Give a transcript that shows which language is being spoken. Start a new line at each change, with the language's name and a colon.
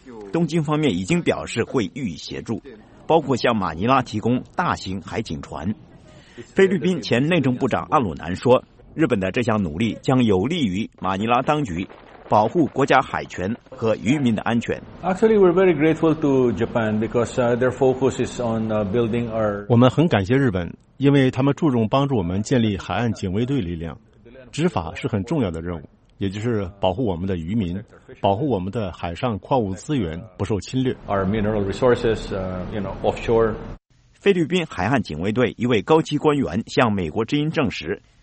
Chinese: 东京方面已经表示会予以协助，包括向马尼拉提供大型海警船。菲律宾前内政部长阿鲁南说，日本的这项努力将有利于马尼拉当局保护国家海权和渔民的安全。
English: Actually, we're very grateful to Japan because their focus is on building our.
Chinese: 我们很感谢日本，因为他们注重帮助我们建立海岸警卫队力量。执法是很重要的任务，也就是保护我们的渔民，保护我们的海上矿物资源不受侵略。
English: Our mineral resources, you know, offshore.
Chinese: 菲律宾海岸警卫队一位高级官员向美国之音证实。